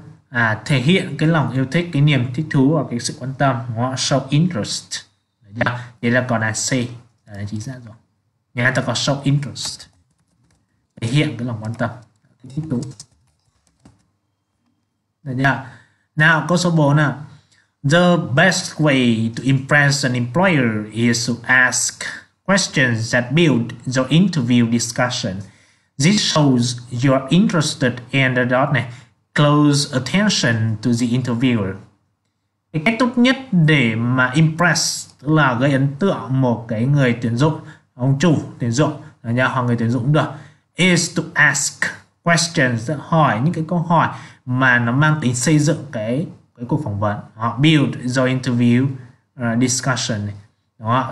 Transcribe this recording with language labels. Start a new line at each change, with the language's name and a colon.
Vietnamese: À, thể hiện cái lòng yêu thích, cái niềm thích thú và cái sự quan tâm, đúng không?
English: Show interest.
Vietnamese: Đấy, đây là còn là C. Đấy, chính xác rồi. Nhà ta có
English: show interest,
Vietnamese: thể hiện cái lòng quan tâm, cái thích thú. Đấy, nào, câu số 4 nào.
English: The best way to impress an employer is to ask questions that build the interview discussion. This shows you're interested in the dot
Vietnamese: này.
English: Close attention to the interviewer.
Vietnamese: Cái cách tốt nhất để mà impress tức là gây ấn tượng một cái người tuyển dụng, ông chủ tuyển dụng, nhà hoặc người tuyển dụng cũng được,
English: is to ask questions,
Vietnamese: hỏi những cái câu hỏi mà nó mang tính xây dựng cái cuộc phỏng vấn, họ
English: build the interview discussion,
Vietnamese: đúng không?